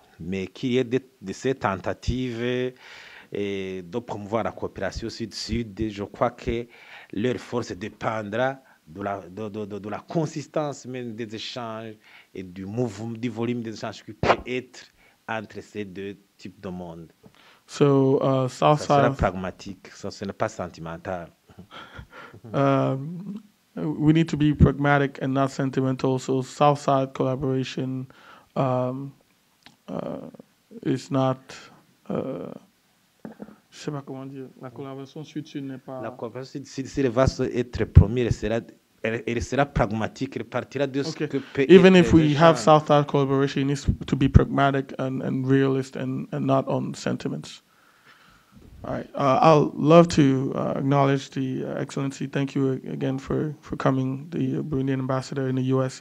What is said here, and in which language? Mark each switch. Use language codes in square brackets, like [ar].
[fr] Mais qu'il y ait de ces tentatives de promouvoir la coopération Sud-Sud, je crois que leur force dépendra de la consistance même des échanges et du mouvement, du volume des échanges qui peut être entre ces deux types de monde. [en] So, South [fr] ça sera pragmatique, ça ce n'est pas sentimental. [en] We need to be pragmatic and not sentimental. So, South-South collaboration is not. [fr] Je ne sais pas comment dire. La collaboration Sud-Sud n'est pas. La coopération Sud-Sud, si elle va être promise, elle sera pragmatique. Elle partira de ce que peut être. [en] Even if we have South-South collaboration, it needs to be pragmatic and realist and not on sentiments. All right. I'll love to acknowledge the Excellency. Thank you again for coming, the Burundian ambassador in the U.S.